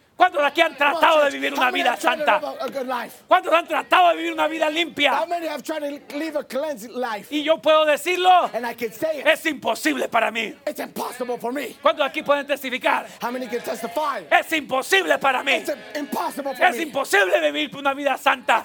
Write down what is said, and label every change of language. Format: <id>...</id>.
<es>¿Cuántos aquí han tratado de vivir una vida santa? ¿Cuántos han tratado de vivir una vida limpia?</es> <en>How many have tried to live a cleansed life?</en> <es>Y yo puedo decirlo.</es> <en>And I can say it.</en> <es>Es imposible para mí.</es> <en>It's impossible for me.</en> <es>¿Cuántos aquí pueden testificar?</es> <en>How many can testify?</en> <es>Es imposible para mí.</es> <en>It's impossible for me.</en> <es>Es imposible vivir una vida santa.</es>